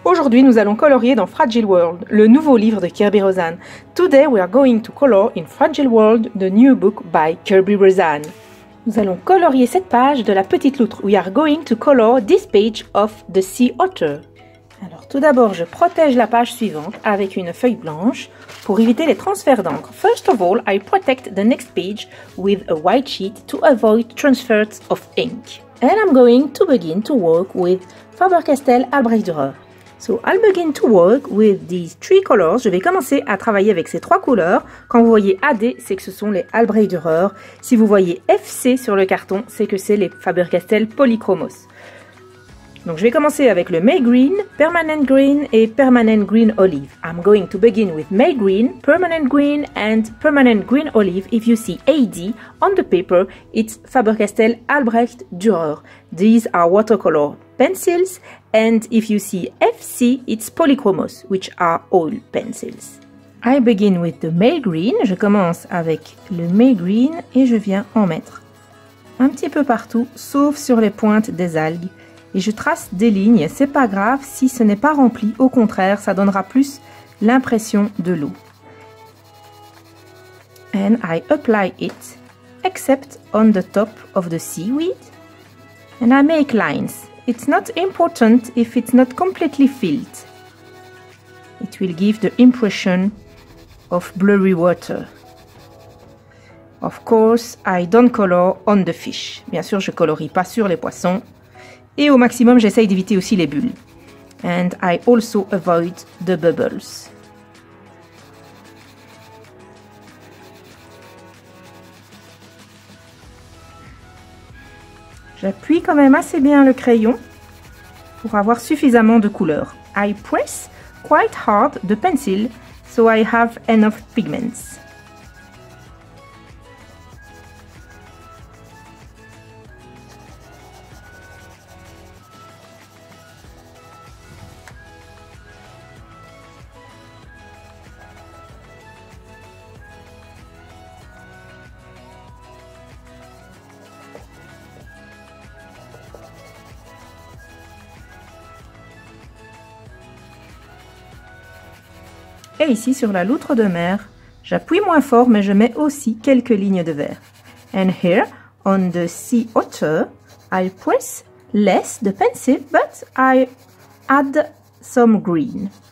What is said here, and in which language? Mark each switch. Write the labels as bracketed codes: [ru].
[fr] Aujourd'hui, nous allons colorier dans Fragile World, le nouveau livre de Kirby Rosanne. [en] Today, we are going to color in Fragile World, the new book by Kirby Rosanne. [fr] Nous allons colorier cette page de la petite loutre. [en] We are going to color this page of the sea otter. [fr] Alors, tout d'abord, je protège la page suivante avec une feuille blanche pour éviter les transferts d'encre. [en] First of all, I protect the next page with a white sheet to avoid transfers of ink. And I'm going to begin to work with Faber-Castell Albrecht Dürer. So I'll begin to work with these three colors. [fr] Je vais commencer à travailler avec ces trois couleurs. Quand vous voyez AD, c'est que ce sont les Albrecht Dürer. Si vous voyez FC sur le carton, c'est que c'est les Faber-Castell Polychromos. Donc je vais commencer avec le May Green, Permanent Green et Permanent Green Olive. I'm going to begin with May Green, Permanent Green and Permanent Green Olive. [en] If you see AD on the paper, it's Faber-Castell Albrecht Dürer. These are watercolor pencils and if you see FC, it's Polychromos, which are oil pencils. I begin with the May Green. [fr] Je commence avec le May Green et je viens en mettre un petit peu partout, sauf sur les pointes des algues. Et je trace des lignes, c'est pas grave si ce n'est pas rempli, au contraire, ça donnera plus l'impression de l'eau. [en] And I apply it, except on the top of the seaweed. And I make lines. It's not important if it's not completely filled. It will give the impression of blurry water. Of course, I don't color on the fish. [fr] Bien sûr, je colorie pas sur les poissons. Et au maximum, j'essaye d'éviter aussi les bulles. [en] And I also avoid the bubbles. [fr] J'appuie quand même assez bien le crayon pour avoir suffisamment de couleurs. [en] I press quite hard the pencil so I have enough pigments. [fr] Et ici, sur la loutre de mer, j'appuie moins fort, mais je mets aussi quelques lignes de vert. [en] And here, on the sea otter, I press less the pencil, but I add some green.